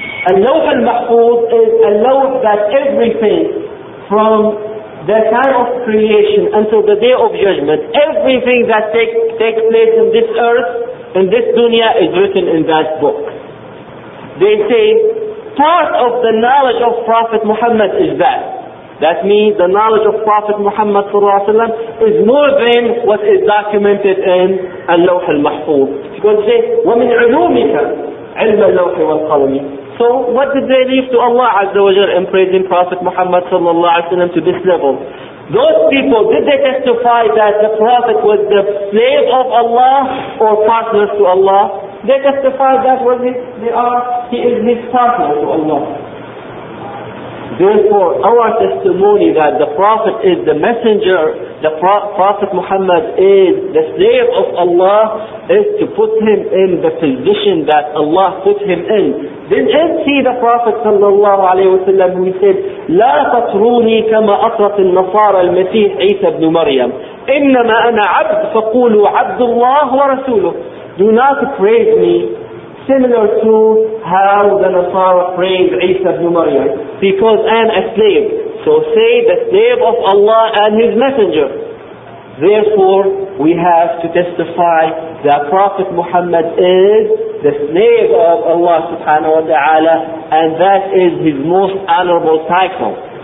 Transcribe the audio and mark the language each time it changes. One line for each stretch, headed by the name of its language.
English: Al-lawh al-mahfood is a lawh that everything from the time of creation until the day of judgment, everything that takes place in this earth, in this dunya, is written in that book. They say, part of the knowledge of Prophet Muhammad is that. That means the knowledge of Prophet Muhammad is more than what is documented in al-lawh al-mahfuz. Because they say,
Arabic: وَمِنْ عُلُومِكَ عِلْمَ اللَّوْحِ وَالْقَلَمِ.
English: So what did they leave to Allah Azza wa Jalla in praising Prophet Muhammad sallallahu alayhi wa sallam to this level? Those people, did they testify that the Prophet was the slave of Allah or partner to Allah? They testified that he is his partner to Allah. Therefore, our testimony that the Prophet is the messenger, the Prophet Muhammad is the slave of Allah, is to put him in the position that Allah put him in. Didn't see the Prophet sallallahu alayhi wa sallam who said,
Arabic: لَا تَطْرُونِي كَمَا أَطْرَتِ النَّصَارَ الْمَسِيحِ عِيسَى بْنُ مَرْيَمْ إِنَّمَا أَنَا عَبْدُ فَقُولُوا عَبْدُ اللَّهُ وَرَسُولُهُ.
English: Do not praise me similar to how the Nasara praised Isa ibn Maryam, because I am a slave. So say the slave of Allah and his messenger. Therefore, we have to testify that Prophet Muhammad is the slave of Allah subhanahu wa ta'ala, and that is his most honorable title.